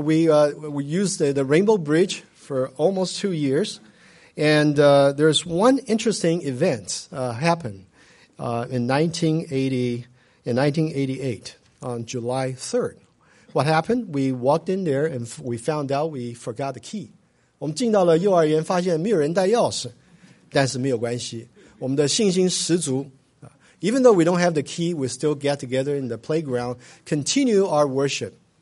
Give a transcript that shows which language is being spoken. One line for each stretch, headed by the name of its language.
English: We used the Rainbow Bridge for almost 2 years. And there's one interesting event happened in 1988 on July 3rd. What happened? We walked in there and we found out we forgot the key.
Chinese: 我们进到了幼儿园，发现没有人带钥匙。但是没有关系，我们的信心十足。
English: Even though we don't have the key, we still get together in the playground, continue our worship.